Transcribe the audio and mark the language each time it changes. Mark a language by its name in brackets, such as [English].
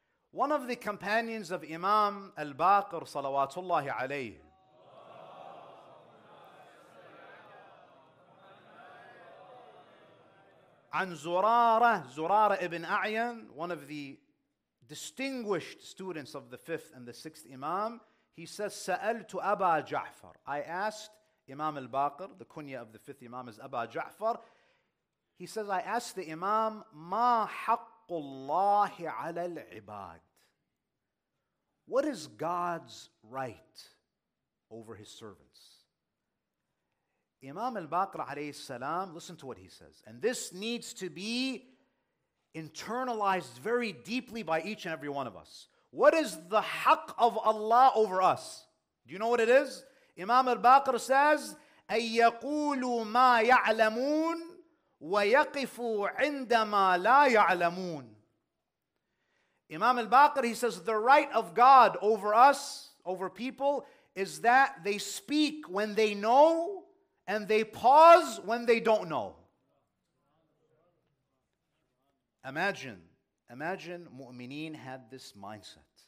[English] One of the companions of Imam Al-Baqir salawatullahi alayhi, oh, [Arabic] عن زرارة زرارة ابن أعين, [English] one of the distinguished students of the fifth and the sixth Imam. He says, [Arabic] سألت أبا جعفر. [English] I asked Imam al-Baqir, the kunya of the fifth Imam is Aba Ja'far. He says, I asked the Imam, [Arabic] مَا حَقُّ اللَّهِ عَلَى الْعِبَادِ. [English] What is God's right over his servants? Imam al-Baqir alayhi salam, listen to what he says. And this needs to be internalized very deeply by each and every one of us. What is the haqq of Allah over us? Do you know what it is? Imam al-Baqir says, [Arabic] أَن يَقُولُوا مَا يَعْلَمُونَ وَيَقِفُوا عِنْدَمَا لَا يَعْلَمُونَ. [English] Imam al-Baqir, he says, the right of God over us, over people, is that they speak when they know and they pause when they don't know. Imagine mu'mineen had this mindset.